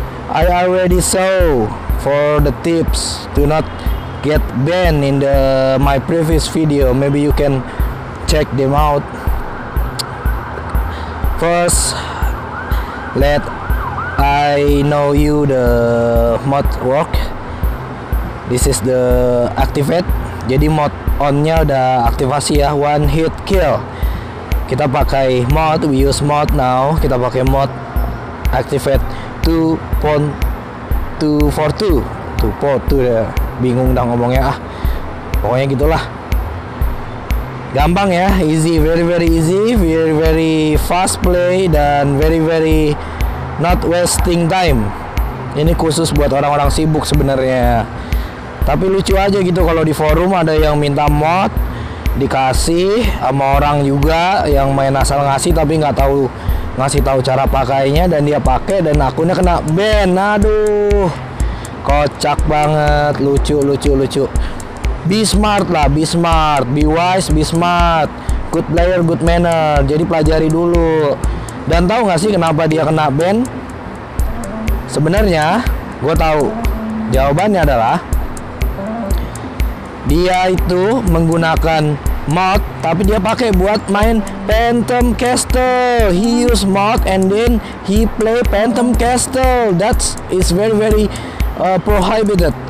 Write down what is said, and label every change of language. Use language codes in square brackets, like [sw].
[en] I already saw for the tips to not get banned in the my previous video. Maybe you can check them out. First, let I know you the mod work. This is the activate. [id] Jadi mod onnya udah aktivasi ya. [en] One hit kill. [id] Kita pakai mod. [en] We use mod now. [id] Kita pakai mod activate 2.242. 2.2 ya. Bingung dah ngomongnya ah. Pokoknya gitulah. [en] Gampang ya, easy, very very easy, very very fast play, dan very very not wasting time. [id] Ini khusus buat orang-orang sibuk sebenarnya. Tapi lucu aja gitu kalau di forum ada yang minta mod dikasih sama orang juga yang main asal ngasih tapi nggak tahu ngasih tahu cara pakainya, dan dia pakai dan akunnya kena ban. Aduh, kocak banget, lucu lucu lucu. [en] Be smart lah, be smart, be wise, be smart. Good player, good manner. [id] Jadi pelajari dulu. Dan tahu nggak sih kenapa dia kena ban? Sebenarnya, gue tahu. Jawabannya adalah dia itu menggunakan mod, tapi dia pakai buat main Phantom Castle. [en] He use mod and then he play Phantom Castle. That is very very prohibited.